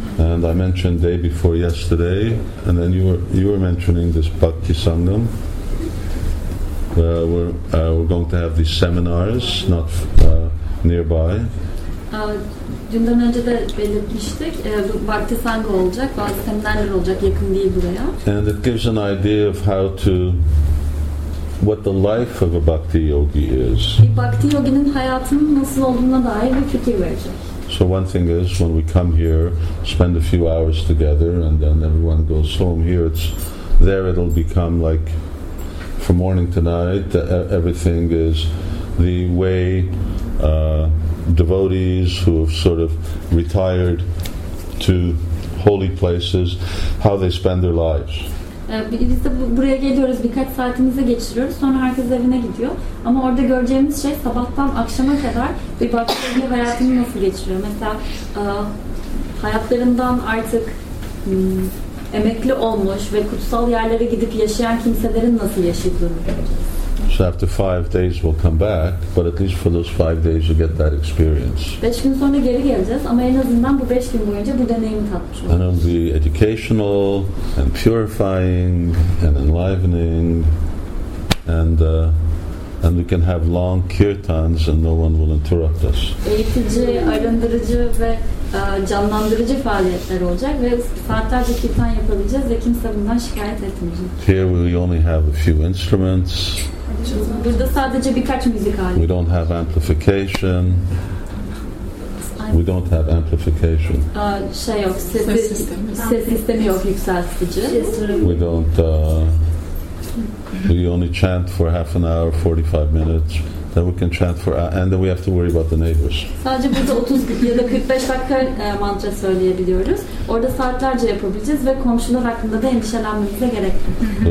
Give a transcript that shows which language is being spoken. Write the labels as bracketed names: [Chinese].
[English] And I mentioned day before yesterday, and then you were mentioning this Bhakti Sangam. We're going to have these seminars not nearby. [Turkish] Dünden önce de belirtmiştik. Bhakti Sangha olacak, bazı seminerler olacak yakın değil buraya. [English] And it gives an idea of what the life of a Bhakti Yogi is. [Turkish] Bir Bhakti Yogi'nin hayatının nasıl olduğuna dair bir fikir verecek. [English] So one thing is, when we come here, spend a few hours together, and then everyone goes home here, it'll become like, from morning to night, everything is the way devotees who have sort of retired to holy places, how they spend their lives. [Turkish] Biz de buraya geliyoruz, birkaç saatimizi geçiriyoruz, sonra herkes evine gidiyor. Ama orada göreceğimiz şey, sabahtan akşama kadar bir baktığında hayatını nasıl geçiriyor. Mesela hayatlarından artık emekli olmuş ve kutsal yerlere gidip yaşayan kimselerin nasıl yaşadığını göreceğiz. [English] So after 5 days we'll come back, but at least for those 5 days you get that experience. [Turkish] 5 gün sonra geri geleceğiz ama en azından bu 5 gün boyunca bu deneyimi tatmış olacağız. [English] And it'll be educational and purifying and enlivening and we can have long kirtans and no one will interrupt us. [Turkish] Eğitici, arındırıcı ve canlandırıcı faaliyetler olacak ve saatlerce kirtan yapabileceğiz ve kimse bundan şikayet etmeyecek. [English] Here we only have a few instruments. [Turkish] Burada sadece birkaç müzik aleti. [English] We don't have amplification. We don't have amplification. [Turkish] Şey yok, ses sistemi yok, yükseltici. [English] We don't we only chant for half an hour, 45 minutes. Then we can chant for, and then we have to worry about the neighbors. [Turkish] Sadece burada 30 ya da 45 dakika mantra söyleyebiliyoruz. Orada saatlerce yapabileceğiz ve komşular hakkında da endişelenmemize gerek yok.